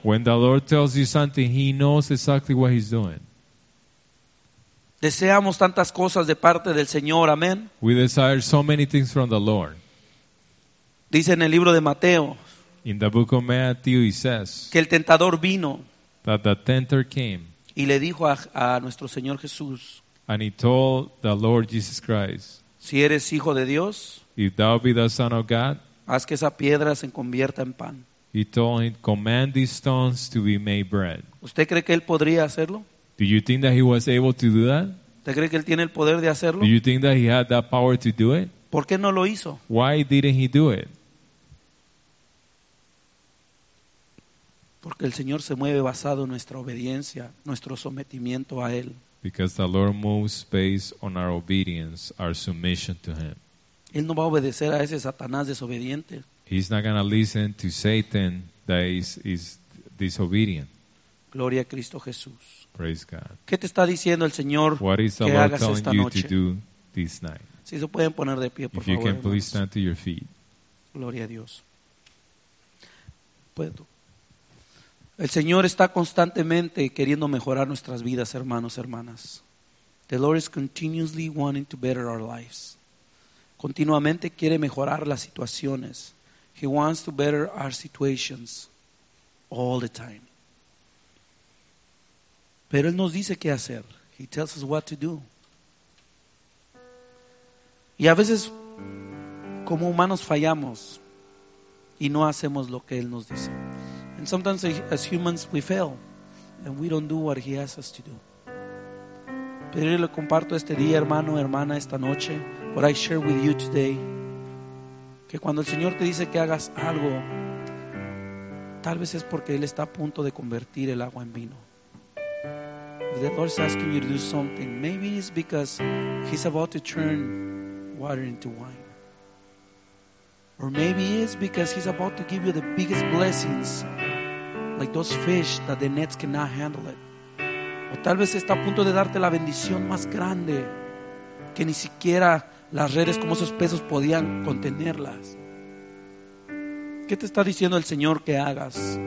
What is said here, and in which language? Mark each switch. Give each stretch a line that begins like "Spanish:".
English: When the Lord tells you something, he knows exactly what he's doing.
Spanish: Deseamos tantas cosas de parte del Señor, amén.
English: We desire so many things from the Lord.
Spanish: Dice en el libro de Mateo,
English: in the book of Matthew, he says,
Spanish: que el tentador vino,
English: that the tempter came,
Spanish: y le dijo a nuestro Señor Jesús,
English: and he told the Lord Jesus Christ,
Spanish: si eres hijo de Dios,
English: if thou be the son of God,
Spanish: haz que esa piedra se convierta en pan.
English: He told him, command these stones to be made bread.
Spanish: ¿Usted cree que él podría hacerlo?
English: Do you think that he was able to do that?
Spanish: ¿Usted cree que él tiene el poder de hacerlo?
English: Do you think that he had that power to do it?
Spanish: ¿Por qué no lo hizo?
English: Why didn't he do it?
Spanish: Porque el Señor se mueve basado en nuestra obediencia, nuestro sometimiento a Él.
English: Because the Lord moves based on our obedience, our submission to Him.
Spanish: Él no va a obedecer a ese Satanás desobediente.
English: He's not going to listen to Satan that is disobedient.
Spanish: Gloria a Cristo Jesús.
English: Praise God.
Spanish: ¿Qué te está diciendo el Señor que hagas esta noche?
English: What is the Lord telling you to do this night?
Spanish: Si se pueden poner de pie, por
English: if
Spanish: favor.
English: You can please stand to your feet.
Spanish: Gloria a Dios. Puedo. El Señor está constantemente queriendo mejorar nuestras vidas, hermanos, hermanas.
English: The Lord is continuously wanting to better our lives.
Spanish: Continuamente quiere mejorar las situaciones.
English: He wants to better our situations all the time.
Spanish: Pero Él nos dice qué hacer.
English: He tells us what to do.
Spanish: Y a veces, como humanos, fallamos y no hacemos lo que Él nos dice.
English: And sometimes as humans we fail and we don't do what He asks us to do.
Spanish: Pero yo le comparto este día, hermano, hermana, esta noche,
English: what I share with you today,
Spanish: que cuando el Señor te dice que hagas algo, tal vez es porque Él está a punto de convertir el agua en vino.
English: If the Lord is asking you to do something, maybe it's because He's about to turn water into wine. Or maybe it's because He's about to give you the biggest blessings, like those fish that the nets cannot handle it.
Spanish: O tal vez está a punto de darte la bendición más grande que ni siquiera las redes como esos peces podían contenerlas. ¿Qué te está diciendo el Señor que hagas?